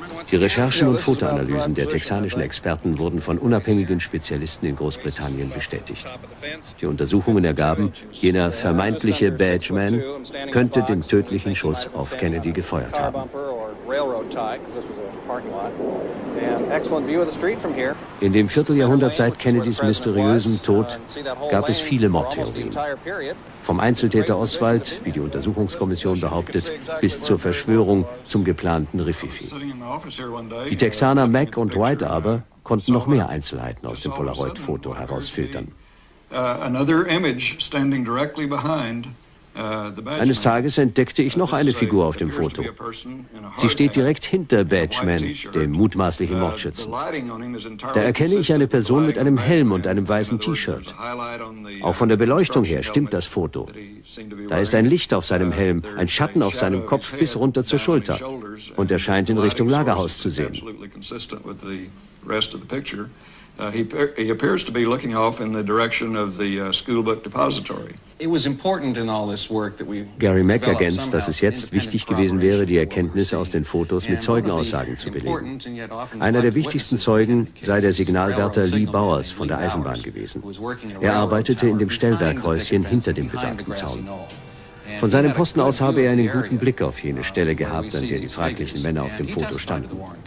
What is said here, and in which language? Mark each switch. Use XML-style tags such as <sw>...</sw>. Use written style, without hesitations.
<de>Die Recherchen und Fotoanalysen der texanischen Experten wurden von unabhängigen Spezialisten in Großbritannien bestätigt. Die Untersuchungen ergaben, jener vermeintliche Badgeman könnte den tödlichen Schuss auf Kennedy gefeuert haben.</de> <en>railroad tie, because this was a parking lot. And excellent view of the street from here.</en> <de>In dem Vierteljahrhundert seit Kennedys mysteriösem Tod gab es viele Mordtheorien. Vom Einzeltäter Oswald, wie die Untersuchungskommission behauptet, bis zur Verschwörung zum geplanten Riffifi. Die Texaner Mac und White aber konnten noch mehr Einzelheiten aus dem Polaroid-Foto herausfiltern. Eines Tages entdeckte ich noch eine Figur auf dem Foto. Sie steht direkt hinter Badgeman, dem mutmaßlichen Mordschützen. Da erkenne ich eine Person mit einem Helm und einem weißen T-Shirt. Auch von der Beleuchtung her stimmt das Foto. Da ist ein Licht auf seinem Helm, ein Schatten auf seinem Kopf bis runter zur Schulter. Und er scheint in Richtung Lagerhaus zu sehen.</de> <en>He appears to be looking off in the direction of the school book depository. It was important in all this work that we.</en> <de>Gary Mack ergänzt, dass es jetzt wichtig gewesen wäre, die Erkenntnisse aus den Fotos mit Zeugenaussagen zu belegen. Einer der wichtigsten Zeugen sei der Signalwärter Lee Bowers von der Eisenbahn gewesen. Er arbeitete in dem Stellwerkhäuschen hinter dem besagten Zaun. Von seinem Posten aus habe er einen guten Blick auf jene Stelle gehabt, an der die fraglichen Männer auf dem Foto standen.</de>